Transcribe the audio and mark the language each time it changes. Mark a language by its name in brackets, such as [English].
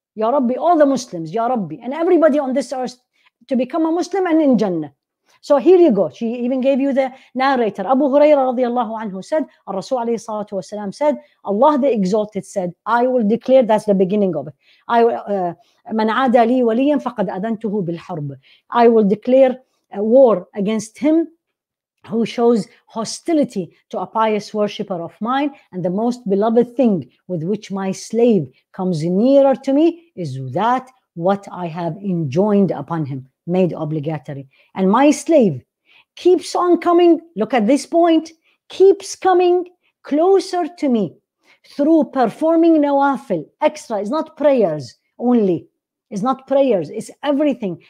[English] Ya Rabbi, all the Muslims, ya Rabbi. And everybody on this earth to become a Muslim and in Jannah. So here you go. She even gave you the narrator. Abu Huraira radiallahu anhu said, Rasul alayhi salatu wasalam said, Allah the Exalted said, I will declare, that's the beginning of it. [Arabic] من عادى لي وليا فقد أذنته بالحرب. [English] I will declare a war against him who shows hostility to a pious worshipper of mine, and the most beloved thing with which my slave comes nearer to me is that what I have enjoined upon him. Made obligatory. And my slave keeps on coming, look at this point, keeps coming closer to me through performing nawafil, extra, it's not prayers only, it's not prayers, it's everything.